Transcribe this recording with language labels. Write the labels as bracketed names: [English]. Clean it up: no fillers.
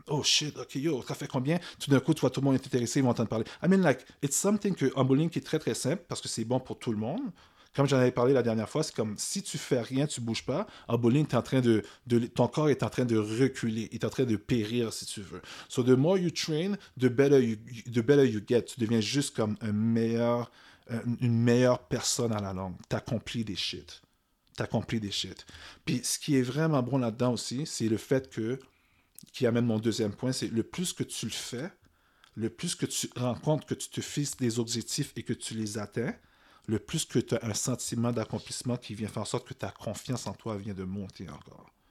[English] Oh shit, ok, yo, [French] ça fait combien? Tout d'un coup, tu vois, tout le monde est intéressé, ils vont entendre parler. [English] I mean, like, it's something [French] que en bowling qui est très très simple parce que c'est bon pour tout le monde. Comme j'en avais parlé la dernière fois, c'est comme si tu fais rien, tu bouges pas, en bowling, t'es en train de ton corps est en train de reculer, il est en train de périr, si tu veux. [English] So the more you train, the better you get. [French] Tu deviens juste comme une meilleure personne à la longue. T'accomplis des shit. Puis ce qui est vraiment bon là-dedans aussi, c'est le fait que, qui amène mon deuxième point, c'est le plus que tu le fais, le plus que tu rencontres, que tu te fixes des objectifs et que tu les atteins, le plus que tu as un sentiment d'accomplissement qui vient faire en sorte que ta confiance en toi vient de monter encore.